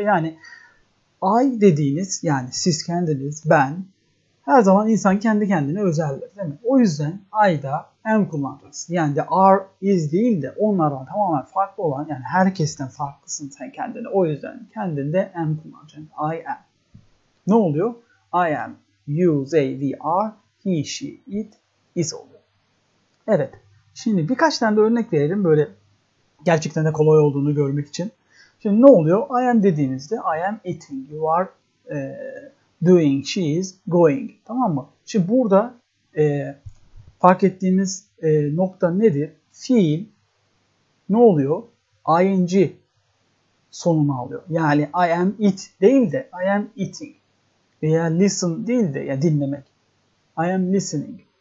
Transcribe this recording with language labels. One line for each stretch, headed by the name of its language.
Turkish: Yani I dediğiniz, yani siz kendiniz, ben, her zaman insan kendi kendine özeldir, değil mi? O yüzden I'da am kullanacaksın. Yani de are is değil de onlardan tamamen farklı olan, yani herkesten farklısın sen kendine. O yüzden kendinde am kullanacaksın.
English: I am.
Turkish: Ne oluyor?
English: I am, you, they, we are, he, she, it, is oluyor.
Turkish: Evet, şimdi birkaç tane de örnek verelim böyle gerçekten de kolay olduğunu görmek için. Şimdi ne oluyor?
English: I am dediğimizde I am eating, you are doing, she is going.
Turkish: Tamam mı? Şimdi burada fark ettiğimiz nokta nedir? Fiil ne oluyor? ing sonunu alıyor. Yani I am it değil de I am eating. Veya listen değil de, ya dinlemek.
English: I am listening.